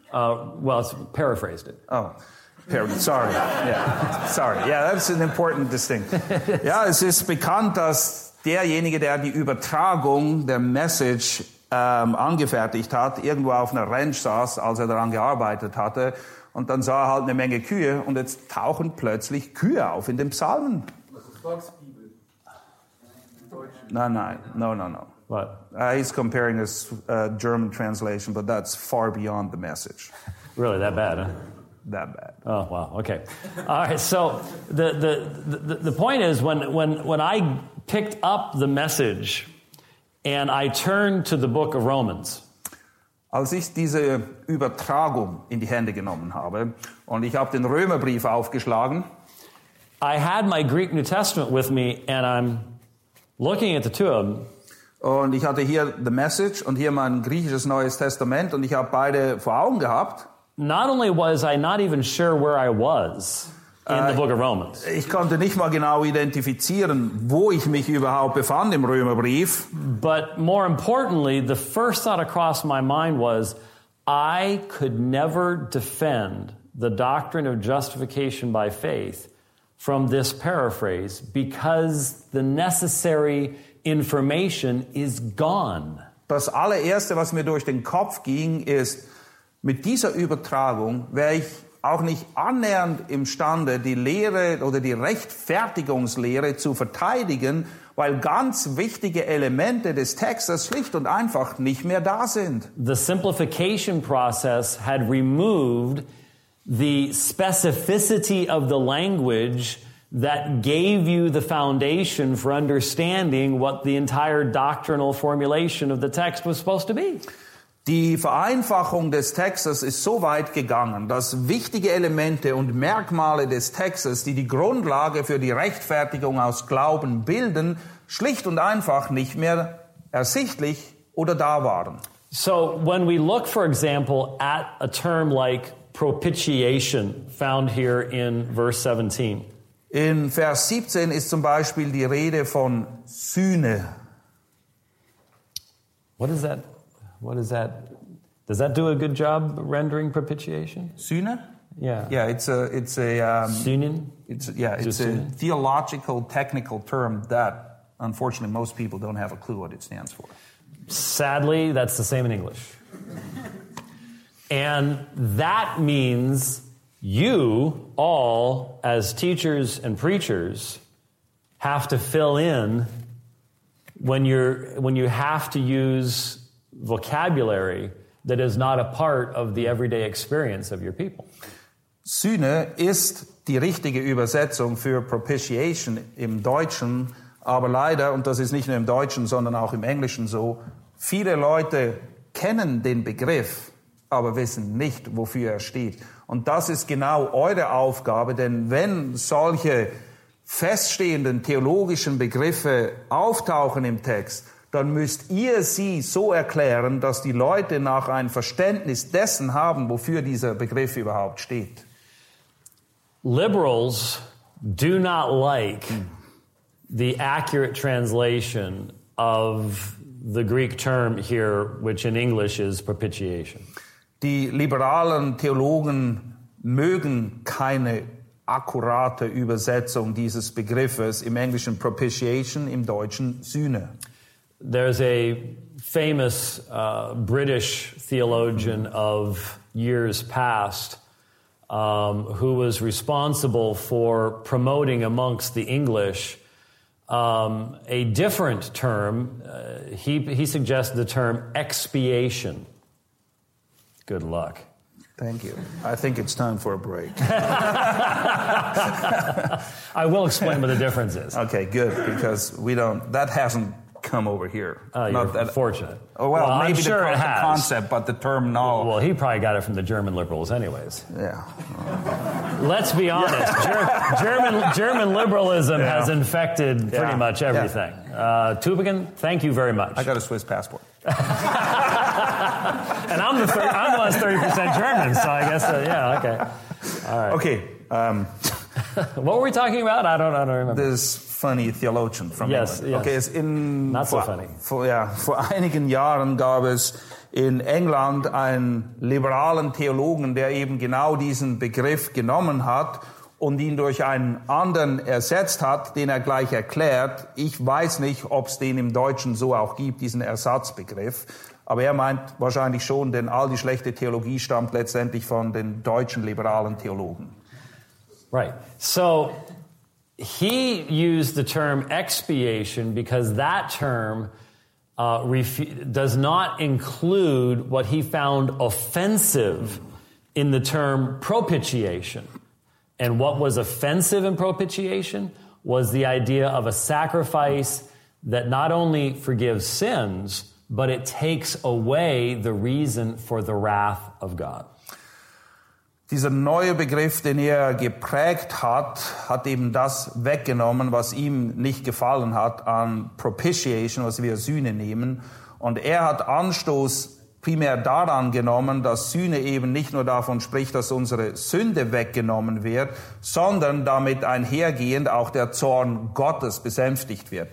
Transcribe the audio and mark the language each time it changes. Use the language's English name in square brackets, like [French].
[English] Well, it's paraphrased it. Oh, sorry. Yeah, sorry. Yeah, that's an important distinction. [German] Ja, es ist bekannt, dass derjenige, der die Übertragung der Message angefertigt hat, irgendwo auf einer Ranch saß, als er daran gearbeitet hatte, und dann sah er halt eine Menge Kühe, und jetzt tauchen plötzlich Kühe auf in den Psalmen. [English] No. What? He's comparing this German translation, but that's far beyond the message. Really, that bad, huh? That bad. Oh, wow, okay. All right, so the point is, when I picked up the message and I turned to the book of Romans. [German] Als ich diese Übertragung in die Hände genommen habe und ich habe den Römerbrief aufgeschlagen, [English] I had my Greek New Testament with me and I'm looking at the two of them. [German] Und ich hatte hier The Message und hier mein griechisches Neues Testament und ich habe beide vor Augen gehabt. [English] Not only was I not even sure where I was in the book of Romans. [German] Ich konnte nicht mal genau identifizieren, wo ich mich überhaupt befand im Römerbrief. [English] But more importantly, the first thought across my mind was, I could never defend the doctrine of justification by faith from this paraphrase because the necessary information is gone. [German] Das allererste, was mir durch den Kopf ging, ist, mit dieser Übertragung wäre ich auch nicht annähernd imstande, die Lehre oder die Rechtfertigungslehre zu verteidigen, weil ganz wichtige Elemente des Textes schlicht und einfach nicht mehr da sind. [English] The simplification process had removed the specificity of the language that gave you the foundation for understanding what the entire doctrinal formulation of the text was supposed to be. [German] Die Vereinfachung des Textes ist so weit gegangen, dass wichtige Elemente und Merkmale des Textes, die die Grundlage für die Rechtfertigung aus Glauben bilden, schlicht und einfach nicht mehr ersichtlich oder da waren. [English] So, when we look, for example, at a term like propitiation, found here in verse 17. [German] In Vers 17 ist zum Beispiel die Rede von Sühne. [English] What is that? What is that? Does that do a good job rendering propitiation? [German] Sühne? [English] Yeah. Yeah, it's a [German] Sühnen? [English] It's a theological technical term that unfortunately most people don't have a clue what it stands for. Sadly, that's the same in English. And that means you all as teachers and preachers have to fill in when you have to use vocabulary that is not a part of the everyday experience of your people. [German] Sühne ist die richtige Übersetzung für propitiation im Deutschen, aber leider, und das ist nicht nur im Deutschen, sondern auch im Englischen so, viele Leute kennen den Begriff, aber wissen nicht, wofür er steht. Und das ist genau eure Aufgabe, denn wenn solche feststehenden theologischen Begriffe auftauchen im Text, dann müsst ihr sie so erklären, dass die Leute nach ein Verständnis dessen haben, wofür dieser Begriff überhaupt steht. [English] Liberals do not like the accurate translation of the Greek term here, which in English is propitiation. [German] Die liberalen Theologen mögen keine akkurate Übersetzung dieses Begriffes im Englischen propitiation, im Deutschen Sühne. [English] There's a famous British theologian of years past who was responsible for promoting amongst the English a different term. He suggested the term expiation. Good luck. Thank you. I think it's time for a break. I will explain what the difference is. Okay, good, because we don't... That hasn't... come over here. You're fortunate. Well, maybe sure the concept, but the term no. Well, he probably got it from the German liberals anyways. Yeah. Let's be honest. Yeah. German liberalism has infected pretty much everything. Yeah. Tübingen, thank you very much. I got a Swiss passport. And I'm I'm less 30% German, so I guess, okay. All right. Okay. What were we talking about? I don't remember. This funny theologian from England. Yes. Okay, it's in not so funny. [German] Vor einigen Jahren gab es in England einen liberalen Theologen, der eben genau diesen Begriff genommen hat und ihn durch einen anderen ersetzt hat, den er gleich erklärt. Ich weiß nicht, ob es den im Deutschen so auch gibt, diesen Ersatzbegriff. Aber er meint wahrscheinlich schon, denn all die schlechte Theologie stammt letztendlich von den deutschen liberalen Theologen. [English] Right. So he used the term expiation because that term does not include what he found offensive in the term propitiation. And what was offensive in propitiation was the idea of a sacrifice that not only forgives sins, but it takes away the reason for the wrath of God. [German] Dieser neue Begriff, den er geprägt hat, hat eben das weggenommen, was ihm nicht gefallen hat an Propitiation, was wir Sühne nehmen. Und er hat Anstoß primär daran genommen, dass Sühne eben nicht nur davon spricht, dass unsere Sünde weggenommen wird, sondern damit einhergehend auch der Zorn Gottes besänftigt wird.